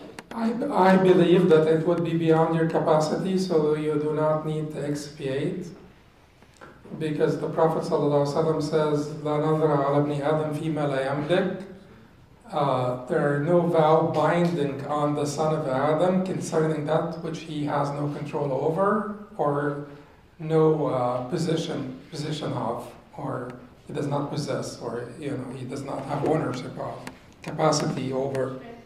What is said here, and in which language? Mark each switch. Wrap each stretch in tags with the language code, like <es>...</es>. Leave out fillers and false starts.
<en>I believe that it would be beyond your capacity, so you do not need to expiate. Because the Prophet ﷺ says,</en> <ar>لَا نَظْرَ عَلَى بْنِ آدَمْ فِي مَا لَا يَمْلِكُ.</ar> <en>There are no vow binding on the son of Adam concerning that which he has no control over or no position of. Or he does not possess, or you know, he does not have ownership of capacity over.</en>